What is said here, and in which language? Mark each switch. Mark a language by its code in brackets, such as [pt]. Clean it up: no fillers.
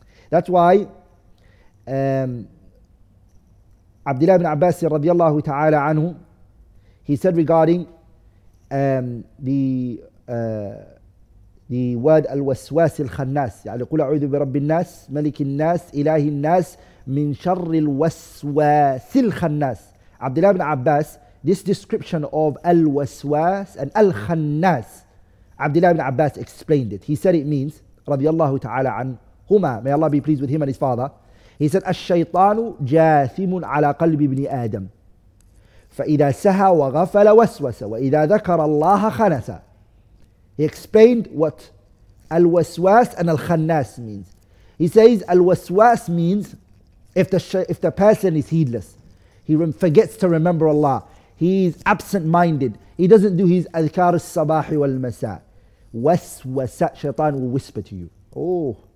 [en] That's why Abdullah ibn Abbas radiallahu ta'ala anhu, he said regarding the word al-waswas al-khannas, [ar] يعني قل أعوذ برب الناس ملك الناس إله الناس من شر الوسواس الخناس. [en] Abdullah ibn Abbas, this description of al-waswas and al-khannas, Abdullah ibn Abbas explained it. He said it means, radiyallahu ta'ala anhuma, may Allah be pleased with him and his father. He said, [ar] الشيطان جاثم على قلب ابن آدم فإذا سهى وغفل وسوس وإذا ذكر الله خنس. [en] He explained what al-waswas and al-khannas means. He says al-waswas means if the person is heedless, he forgets to remember Allah, he is absent-minded, he doesn't do his adhkar al-sabahi wal-masa, waswasa, shaitan will whisper to you, oh,